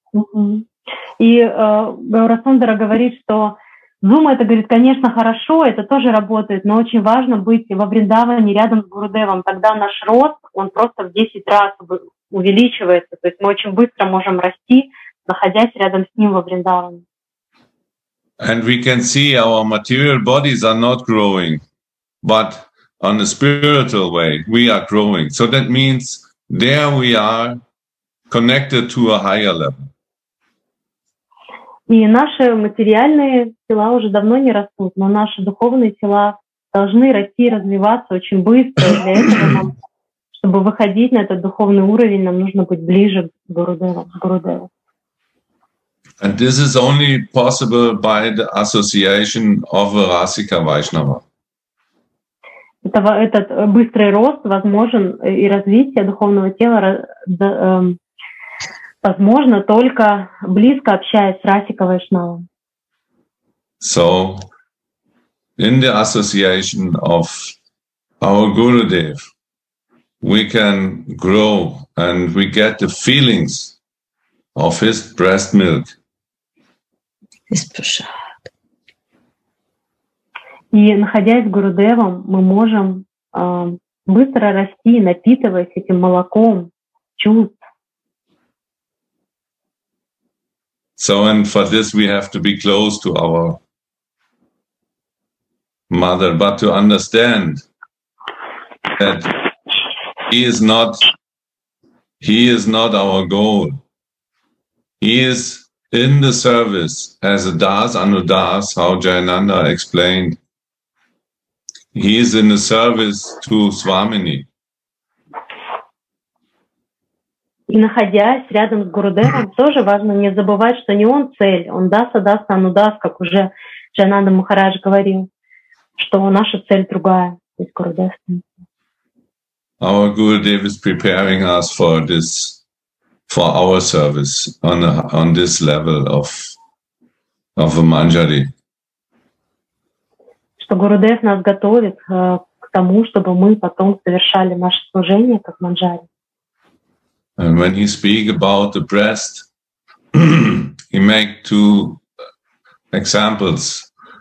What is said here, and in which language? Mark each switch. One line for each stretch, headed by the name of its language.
Russian: Mm-hmm. И Гаурасундара говорит, что Zoom, это, говорит, конечно, хорошо, это тоже работает, но очень важно быть во Вриндаване рядом с Гурудевом. Тогда наш рост, он просто в 10 раз увеличивается. То есть мы очень быстро можем расти, находясь рядом с ним во Вриндаване.
English: And we can see our material bodies are not growing, but on a spiritual way we are growing. So that means there we are connected to a higher level.
Russian: И наши материальные тела уже давно не растут, но наши духовные тела должны расти и развиваться очень быстро. И для этого нам, чтобы выходить на этот духовный уровень, нам нужно быть ближе к Гурудеву.
English: And this is only possible by the association of a Rasika Vaishnava.
Russian: Этот быстрый рост возможен и развитие духовного тела возможно только близко общаясь с Расика Вайшнавом.
English: So, in the association of our Gurudev, we can grow and we get the feelings of his breast milk. His prashad.
Russian: И находясь с Гурудевом, мы можем быстро расти, напитываясь этим молоком чувств.
English: So, and for this we have to be close to our mother, but to understand that he is not our goal. He is in the service as a das anudas, how Jayananda explained. He is in the service to Swamini.
Russian: И находясь рядом с Гурудевом, тоже важно не забывать, что не он цель, он даса, даса, анудас, как уже Джайананда Махарадж говорил, что наша цель другая, то есть Гурудев.
English: Our Gurudev is preparing us for this, for our service on this level of a Manjari.
Russian: Что Гурудев нас готовит к тому, чтобы мы потом совершали наше служение как Манджари.
English: And when he speak about the breast, he make two examples.